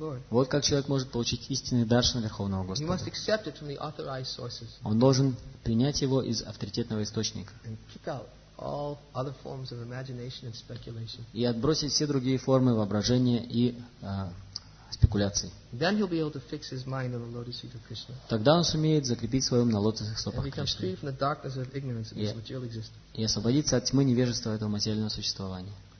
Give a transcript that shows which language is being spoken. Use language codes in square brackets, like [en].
[ru] Вот как человек может получить истинный даршан Верховного Господа. Он должен принять его из авторитетного источника. [en] All other forms of imagination and speculation. [ru] И отбросить все другие формы воображения и спекуляций. [en] Then he'll be able to fix his mind on the lotus feet of Krishna. [ru] Тогда он сумеет закрепить свой ум на лотосных стопах Кришны. [en] And become free from the darkness of ignorance of his material existence. [ru] И освободиться от тьмы невежества этого материального существования.